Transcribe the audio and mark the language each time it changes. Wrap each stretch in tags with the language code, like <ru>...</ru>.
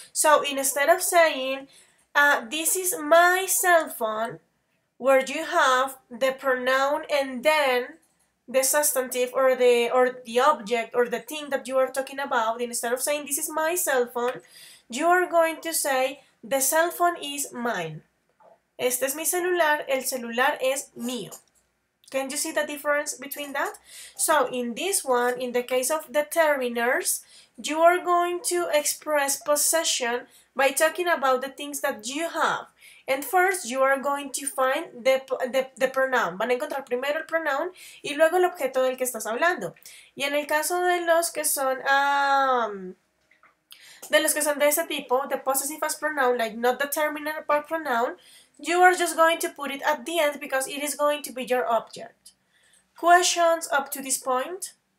<en>So instead of saying, this is my cell phone, where you have the pronoun and then the substantive or the object or the thing that you are talking about, instead of saying this is my cell phone, you are going to say the cell phone is mine.</en> <es>Este es mi celular, el celular es mío.</es> <en>Can you see the difference between that? So in this one, in the case of determiners, you are going to express possession by talking about the things that you have. And first, you are going to find the pronoun.</en> <es>Van a encontrar primero el pronoun y luego el objeto del que estás hablando. Y en el caso de los que son de ese tipo,</es> <en>the possessive as pronoun, like not determiner but pronoun, you are just going to put it at the end because it is going to be your object. Questions up to this point?</en>